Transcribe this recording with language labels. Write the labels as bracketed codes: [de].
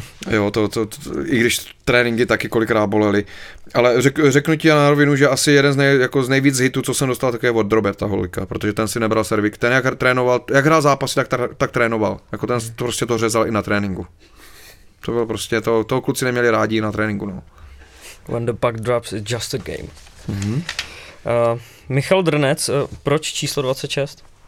[cs] jo, to i když tréninky taky kolikrát bolely, ale řeknu ti na rovinu, že asi jeden z nejvíc hitů, co jsem dostal, tak je od Roberta Holika, protože ten si nebral servík, ten jak trénoval, jak hrál zápasy, tak trénoval, jako ten prostě to řezal i na tréninku. To bylo prostě, to kluci neměli rádi na tréninku, no. [en] When the puck drops, it's just a game. Mm-hmm. [cs] Michal Drnec, proč číslo 26?